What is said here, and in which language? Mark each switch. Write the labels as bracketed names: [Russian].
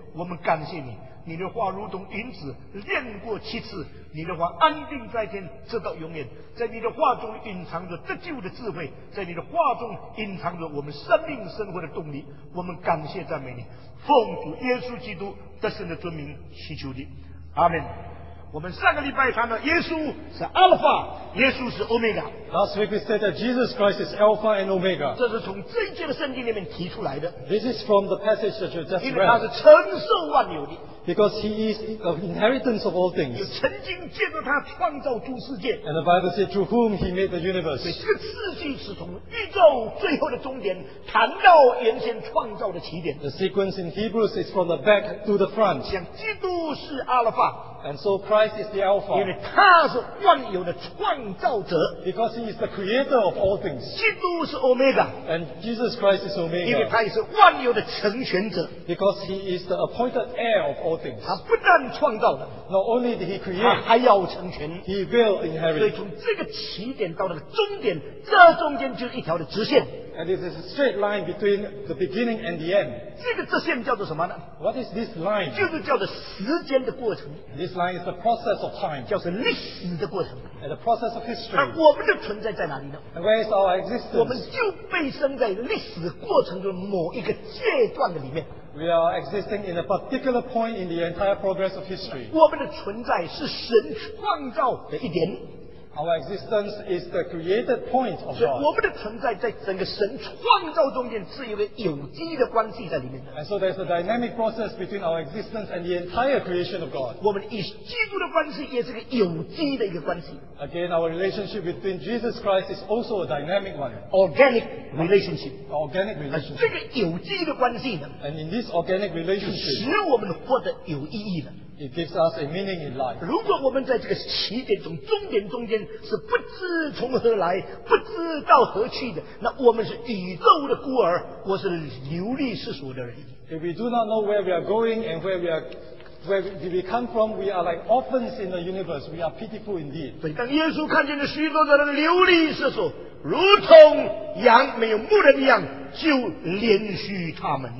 [Chinese] 我们感谢你，你的话如同银子炼过七次，你的话安定在天直到永远。在你的话中隐藏着得救的智慧，在你的话中隐藏着我们生命生活的动力。我们感谢赞美你，奉主耶稣基督得胜的尊名祈求你，阿们。我们上个礼拜谈了耶稣是 Alpha， 耶稣是 Omega。 [English] Last week we said that Jesus Christ is Alpha and Omega。 [Chinese] 这是从这一节的圣经里面提出来的。 [English] This is from the passage that you just read。 [Chinese] 因为他是承受万有的。 [English] Because he is the inheritance of all things。 [Chinese] 有曾经借着他创造诸世界。 [English] And the Bible said through whom he made the universe。 [Chinese] 所以这个次序是从宇宙最后的终点谈到原先创造的起点。 [English] The sequence in Hebrews is from the back to the front。 [Chinese] 像基督是 Alpha。 [English] And so Christ is the Alpha. [Chinese] 因为他是万有的创造者。 [English] Because he is the creator of all things. [Chinese] 基督是 Omega. [English] And Jesus Christ is Omega. [Chinese] 因为他也是万有的成全者。 [English] Because he is the appointed heir of all things. [Chinese] 他不但创造了。 [English] Not only did he create. [Chinese] 他还要成全。 [English] He will inherit. [Chinese] 所以从这个起点到那个终点，这中间就是一条的直线。 [English] And it is a straight line between the beginning and the end. [Chinese] 这个直线叫做什么呢？ [English] What is this line? [Chinese] 就是叫做时间的过程。 [English] This line is the process of time. [Chinese] 叫做历史的过程。 [English] And the process of history. [Chinese] 而我们的存在在哪里呢？ [English] And where is our existence? [Chinese] 我们就被生在历史的过程中某一个阶段的里面。 [English] We are existing in a particular point in the entire progress of history. [Chinese] 我们的存在是神创造的一点。 [English] Our existence is the created point of God. [Chinese] 所以我们的存在在整个神创造中间是一个有机的关系在里面的。 [English] And so there's a dynamic process between our existence and the entire creation of God. [Chinese] 我们与基督的关系也是个有机的一个关系。 [English] Again, our relationship between Jesus Christ is also a dynamic one. Organic relationship. Organic relationship. [Chinese] 这个有机的关系呢？ [English] And in this organic relationship, [Chinese] 使我们活得有意义的。 [English] It gives us a meaning in life. [Chinese] 如果我们在这个起点中终点中间是不知从何来不知道何去的，那我们是宇宙的孤儿，我是流离失所的人。 [English] If we do not know where we are going and where we come from, we are like orphans in the universe. We are pitiful indeed. [Chinese] 所以当耶稣看见了许多的人流离失所，如同羊没有牧人一样，就怜恤他们。